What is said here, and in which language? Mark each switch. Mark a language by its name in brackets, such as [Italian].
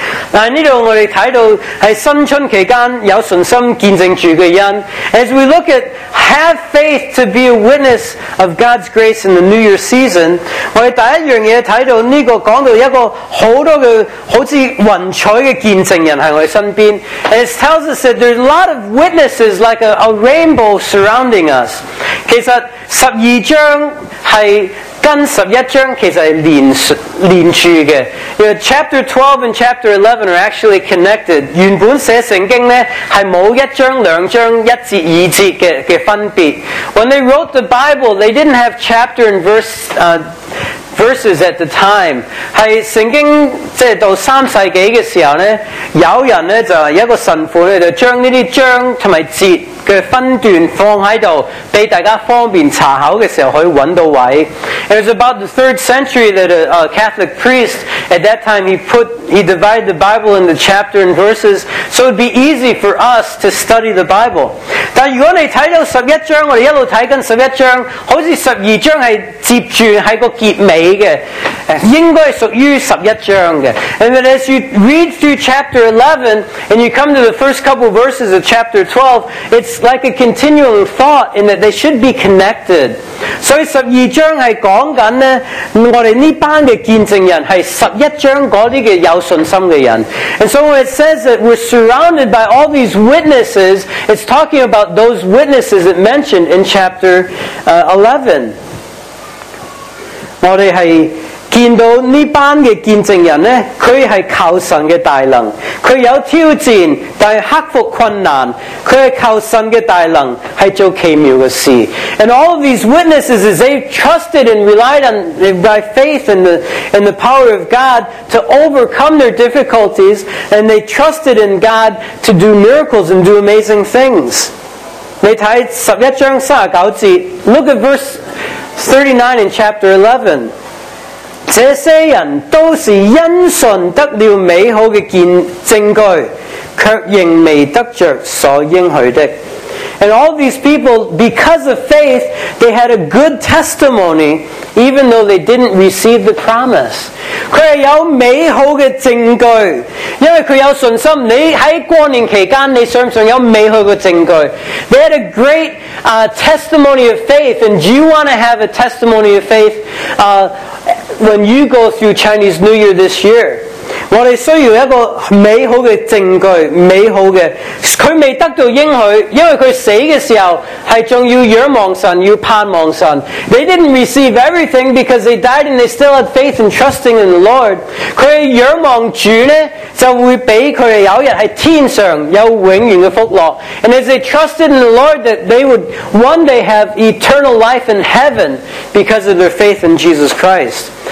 [Chinese] 但这里我们看到是新春期间有信心见证主的恩。 [English] As we look at have faith to be a witness of God's grace in the New Year season, [Chinese] 我们第一件事看到这个讲到一个很多的好像云彩的见证人在我们身边。 [English] And it tells us that there's a lot of witnesses like a rainbow surrounding us. [Chinese] 其实十二章是跟十一章其实是连住的。 [English] You know, chapter 12 and chapter 11 are actually connected. [Chinese] 原本写圣经呢是没有一章两章一节二节 的分别。 [English] When they wrote the Bible, they didn't have chapter and verses at the time. [Chinese] 是圣经即到三世纪的时候呢，有人呢就一个神父呢就将这些章和节的分段放在这里，被大家方便查考的时候可以找到位。 [English] It was about the 3rd century that a Catholic priest at that time he divided the Bible into chapter and verses so it would be easy for us to study the Bible. [Chinese] 但如果你看到十一章，我们一路看跟十一章，好像十二章是接住在个结尾的，应该属于十一章的。 [English] And then as you read through chapter 11 and you come to the first couple verses of chapter 12, it's like a continual thought in that they should be connected. [Chinese] 所以十二章是讲紧呢，我们这班的见证人是十一章那些有信心的人。 [English] And so when it says that we're surrounded by all these witnesses, it's talking about those witnesses it mentioned in chapter 11. [Chinese] 我们是见到这班的见证人呢，他是靠神的大能，他有挑战但是克服困难，他是靠神的大能是做奇妙的事。 [English] And all of these witnesses is they trusted and relied on by faith in the power of God to overcome their difficulties, and they trusted in God to do miracles and do amazing things. [Chinese] 你看十一章三十九节， [English] look at verse 39 in chapter 11， [Chinese] 这些人都是因信得了美好的证据，却仍未得着所应许的。 [English] And all these people, because of faith, they had a good testimony, even though they didn't receive the promise. [Chinese] 他是有美好的證據, 因為他有信心, 你在過年期間, 你想不想有美好的證據? [English] They had a great testimony of faith, and do you want to have a testimony of faith when you go through Chinese New Year this year? [Chinese] 我们需要一个美好的证据，美好的，他未得到应许，因为他死的时候，还仲要仰望神，要盼望神。 [English] They didn't receive everything because they died and they still had faith and trusting in the Lord. [Chinese] 他仰望主呢，就会俾他们有一日在天上有永远的福乐。 [English] And as they trusted in the Lord, that they would one day have eternal life in heaven because of their faith in Jesus Christ.